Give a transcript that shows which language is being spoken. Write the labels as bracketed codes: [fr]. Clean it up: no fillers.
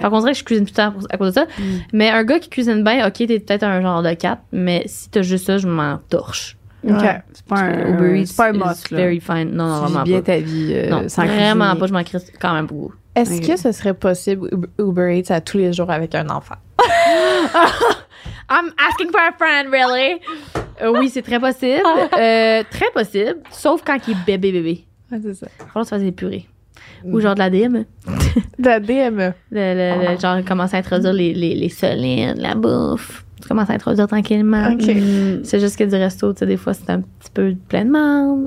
[fr] Fait qu'on dirait que je cuisine plus tard à cause de ça. Mm. Mais un gars qui cuisine bien, ok, t'es peut-être un genre de 4, mais si t'as juste ça, je m'en torche. Ok, c'est pas un Uber Eats, c'est pas un must. C'est [en] very fine. [fr] Non, vraiment pas. Tu vis bien ta vie non, sans vraiment cuisiner. Pas, je m'en crie quand même beaucoup. Est-ce que ce serait possible Uber Eats à tous les jours avec un enfant? [en] I'm asking for a friend, really? [fr] Oui, c'est très possible. Très possible, sauf quand il est bébé. Ouais, c'est ça. On va se faire des purées. Mm. Ou genre de la DME. De la DME. Genre, commencer à introduire les solides, la bouffe. Tu commences à introduire tranquillement. OK. Mmh. C'est juste que du resto, tu sais, des fois, c'est un petit peu plein de monde.